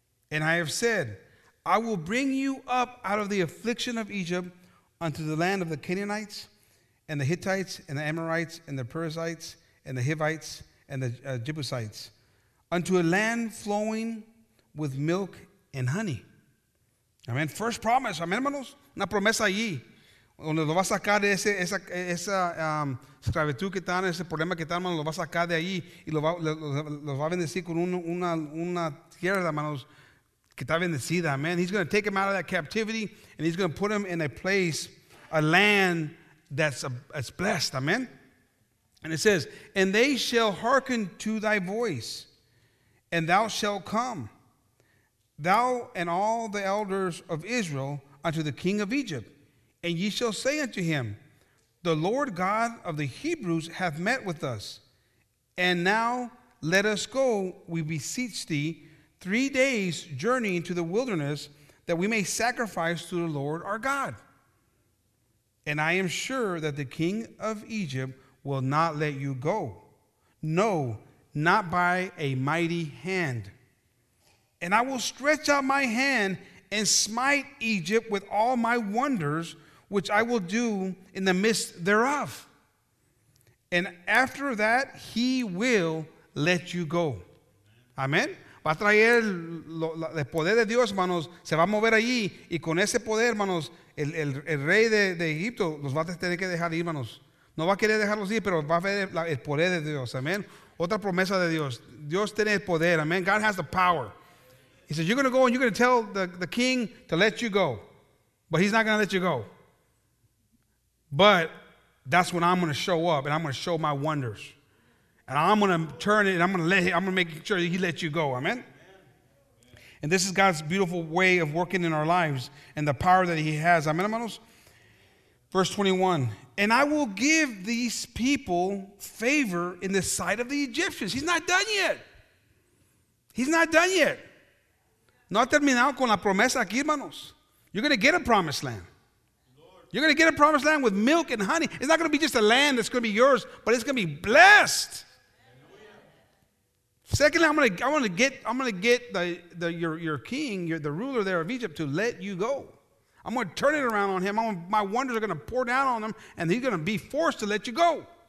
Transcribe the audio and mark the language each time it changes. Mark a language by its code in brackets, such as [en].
[en] And I have said, I will bring you up out of the affliction of Egypt unto the land of the Canaanites, and the Hittites, and the Amorites, and the Perizzites, and the Hivites, and the Jebusites, unto a land flowing with milk and honey." [es] Amen. [en] First promise. [es] Amen, hermanos. Una promesa allí. Donde lo va a sacar de esa esclavitud que están, ese problema que están, hermanos, lo va a sacar de ahí y los va a bendecir con una tierra, hermanos, que está bendecida. Amen. [en] He's going to take them out of that captivity, and he's going to put them in a place, a land that's blessed. Amen. And it says, "And they shall hearken to thy voice, and thou shalt come, thou and all the elders of Israel, unto the king of Egypt. And ye shall say unto him, the Lord God of the Hebrews hath met with us. And now let us go, we beseech thee, 3 days journey into the wilderness, that we may sacrifice to the Lord our God. And I am sure that the king of Egypt will not let you go. No, not by a mighty hand. And I will stretch out my hand and smite Egypt with all my wonders, which I will do in the midst thereof. And after that, he will let you go." Amen. [es] Va a traer el poder de Dios, hermanos. Se va a mover allí. Y con ese poder, hermanos, el rey de Egipto los va a tener que dejar ir, hermanos. No va a querer dejarlos ir, pero va a ver el poder de Dios. Amen. Otra promesa de Dios. Dios tiene el poder. Amen. [en] God has the power. He says, you're going to go and you're going to tell the king to let you go. But he's not going to let you go. But that's when I'm going to show up, and I'm going to show my wonders, and I'm going to turn it, and I'm going to make sure that he lets you go. Amen? Amen. And this is God's beautiful way of working in our lives and the power that he has. Amen, hermanos. Verse 21, "And I will give these people favor in the sight of the Egyptians." He's not done yet. He's not done yet. [es] No ha terminado con la promesa aquí, hermanos. [en] You're going to get a promised land. You're going to get a promised land with milk and honey. It's not going to be just a land that's going to be yours, but it's going to be blessed. Hallelujah. Secondly, I'm going to get the ruler there of Egypt to let you go. I'm going to turn it around on him. My wonders are going to pour down on him, and he's going to be forced to let you go.